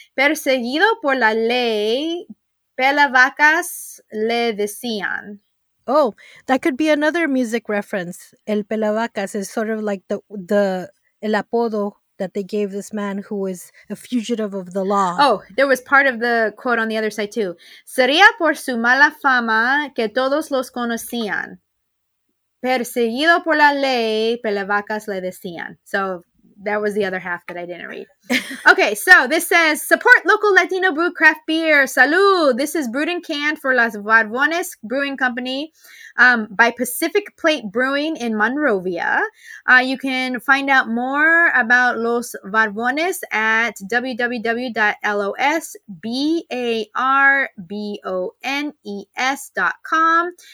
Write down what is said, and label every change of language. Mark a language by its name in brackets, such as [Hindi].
[Spanish] Perseguido por la ley, Pelavacas le decían. [English] Oh, that could be another music reference. El Pelavacas is sort of like the [Spanish] el apodo [English] that they gave this man who was a fugitive of the law. Oh, there was part of the quote on the other side too. [Spanish] Sería por su mala fama que todos los conocían. Perseguido por la ley, Pelavacas le decían. [English] So that was the other half that I didn't read. Okay, so this says, support local Latino brew craft beer. Salud. This is brewed and canned for Las Barbones Brewing Company by Pacific Plate Brewing in Monrovia. You can find out more about Los Barbones at www.losbarbones.com.